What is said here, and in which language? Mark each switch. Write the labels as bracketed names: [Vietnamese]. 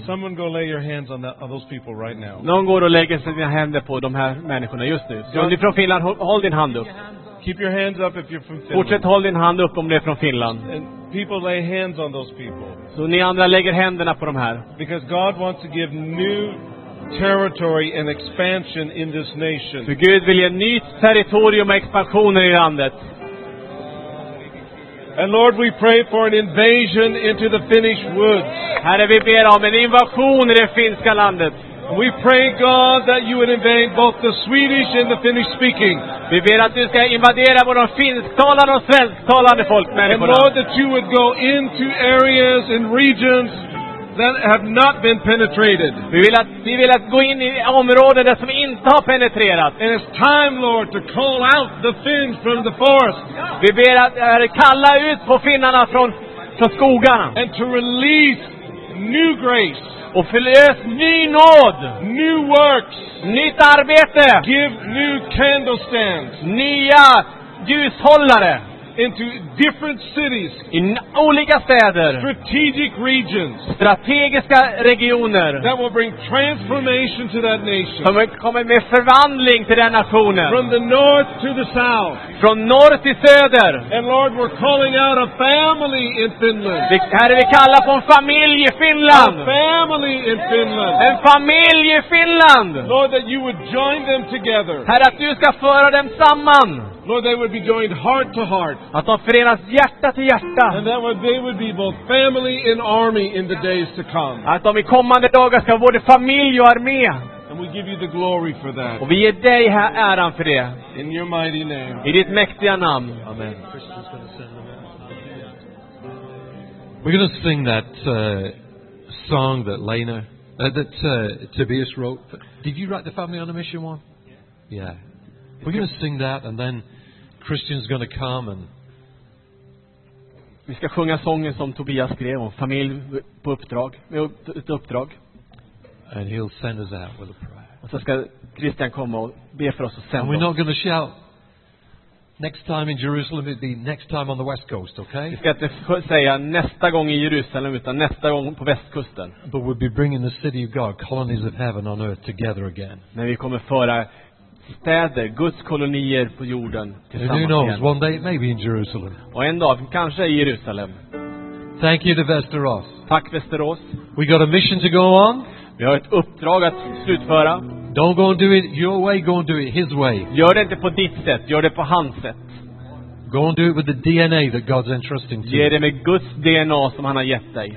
[English] Someone go lay your hands on those people right now. [Swedish] Någon går och lägger sina händer på de här människorna just nu. Om du är från Finland, håll din hand upp. [English] Keep your hands up if you're from Finland. [Swedish] Fortsätt håll din hand upp om du är från Finland. [English] People lay hands on those people. [Swedish] Så ni andra lägger händerna på de här. [English] Because God wants to give new territory and expansion in this nation. [Swedish] För Gud vill ge nytt territorium och expansion i landet. [English] And Lord, we pray for an invasion into the Finnish woods. [Swedish] Herre, vi ber om en invasion i det finska landet. [English] We pray, God, that you would invade both the Swedish and the Finnish speaking. [Swedish] Vi ber att du ska invadera både finsktalande och svensktalande folk. [English] And Lord, that you would go into areas and regions that have not been penetrated. [Swedish] Vi vill att gå in i områden där som inte har penetrerat. [English] And it's time, Lord, to call out the Finns from the forest. [Swedish] Vi ber att kalla ut på finnarna från skogarna. [English] And to release new grace. [Swedish] Och förlös ny nåd. [English] New works. [Swedish] Nytt arbete. [English] Give new candlesticks. [Swedish] Nya ljushållare. [English] Into different cities. [Swedish] I olika städer. [English] Strategic regions. [Swedish] Strategiska regioner. [English] That will bring transformation to that nation. [Swedish] Som kommer med förvandling till den nationen. [English] From the north to the south. [Swedish] Från norr till söder. [English] And Lord, we're calling out a family in Finland. [Swedish] Herre, vi kallar på en familj i Finland. [English] A family in Finland. [Swedish] En familj i Finland. [English] Lord, that you would join them together. [Swedish] Herre, att du ska föra dem samman. [English] Lord, they would be joined heart to heart. [Swedish] Att de förenas hjärta till hjärta. [English] And that they would be both family and army in the days to come. [Swedish] Att de i kommande dagar ska vara både familj och armé. [English] And we give you the glory for that. [Swedish] Och vi ger dig här äran för det. [English] In your mighty name. [Swedish] I ditt mäktiga namn. [English] Amen. We're going to sing that song that Lena, Tobias wrote. Did you write the Family on a Mission one? Yeah. We're going to sing that, and then Christian's going to come and. [Swedish] Vi ska sjunga sången som Tobias skrev om familj på uppdrag, med ett uppdrag. [English] And he'll send us out with a prayer. [Swedish] Och så ska Christian komma och be för oss och sända. [English] And we're not going to shout. Next time in Jerusalem, it'll be next time on the west coast, okay? [Swedish] Vi ska inte säga nästa gång i Jerusalem, utan nästa gång på västkusten. [English] But we'll be bringing the city of God, colonies of heaven on earth, together again. [Swedish] När vi kommer föra städer, Guds kolonier på jorden tillsammans. [English] Who knows, one day maybe in Jerusalem. [Swedish] Och en dag kanske i Jerusalem. [English] Thank you to Västerås. [Swedish] Tack Västerås. [English] We got a mission to go on. [Swedish] Vi har ett uppdrag att slutföra. [English] Don't go and do it your way, go and do it his way. [Swedish] Gör det inte på ditt sätt, gör det på hans sätt. [English] Go and do it with the DNA that God's entrusting to. [Swedish] Ge det med Guds DNA som han har gett dig.